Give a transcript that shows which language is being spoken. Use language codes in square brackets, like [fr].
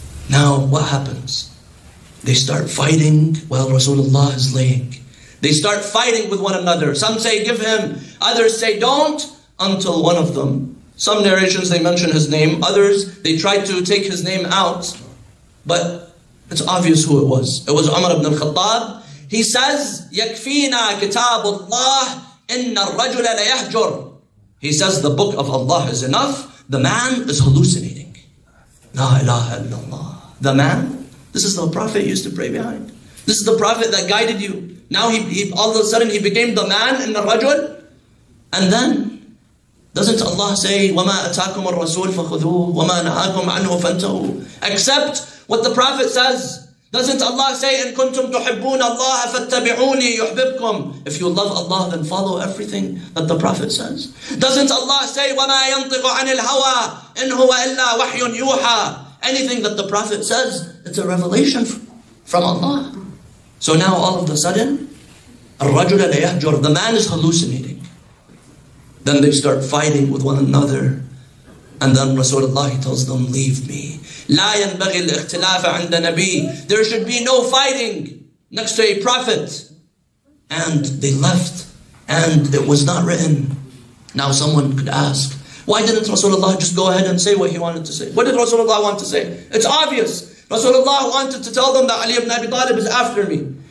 [en] Now, what happens? They start fighting while Rasulullah is laying. They start fighting with one another. Some say, give him. Others say, don't. Until one of them. Some narrations, they mention his name. Others, they try to take his name out. But it's obvious who it was. It was Umar ibn al-Khattab. He says, [ar] يَكْفِينَا كِتَابُ اللَّهِ إِنَّ الرَّجُلَ لَيَهْجُرُ. [en] He says, the book of Allah is enough. The man is hallucinating. [ar] La ilaha illallah. [en] The man, this is the Prophet you used to pray behind. This is the Prophet that guided you. Now he all of a sudden he became the man in the rajul. And then, doesn't Allah say, [ar] وَمَا أَتَاكُمُ الرَّسُولُ فَخُذُوهُ وَمَا نَهَاكُمْ عَنْهُ فَانْتَهُوا. [en] Accept what the Prophet says. Doesn't Allah say, [ar] إِن كُنْتُمْ تُحِبُّونَ اللَّهَ فَاتَّبِعُونِي يُحْبِبْكُمْ. [en] If you love Allah, then follow everything that the Prophet says. Doesn't Allah say, [ar] وَمَا يَنْطِقُ عَنِ الْهَوَىٰ إِنْ هُوَ إِلَّا وَحْيٌ يُوحَىٰ. [en] Anything that the Prophet says, it's a revelation from Allah. So now all of a sudden, [ar] الرَّجُلَ لَيَهْجُرُ. [en] The man is hallucinating. Then they start fighting with one another. And then Rasulullah tells them, leave me. [ar] لا ينبغي الاختلاف عند نبي. [en] There should be no fighting next to a prophet. And they left. And it was not written. Now someone could ask, why didn't Rasulullah just go ahead and say what he wanted to say? What did Rasulullah want to say? It's obvious. Rasulullah wanted to tell them that Ali ibn Abi Talib is after me.